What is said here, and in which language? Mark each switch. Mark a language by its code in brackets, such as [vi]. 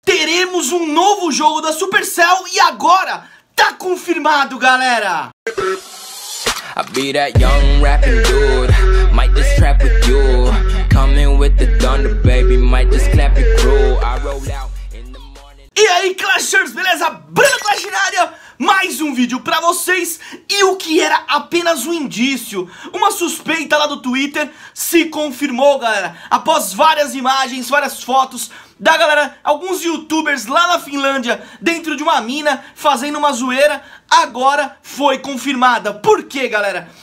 [pt] teremos um novo jogo da Supercell e agora tá confirmado, galera! [en] I be that young rapping dude, might just trap with you. Coming with the thunder, baby, might just clap it crew. I roll out in the morning. [pt] E aí, Clashers, beleza? Bruno Clash na área, mais um vídeo pra vocês. E o que era apenas um indício, uma suspeita lá do Twitter, se confirmou, galera. Após várias imagens, várias fotos da galera, alguns youtubers lá na Finlândia, dentro de uma mina, fazendo uma zoeira, agora foi confirmada. Por quê, galera?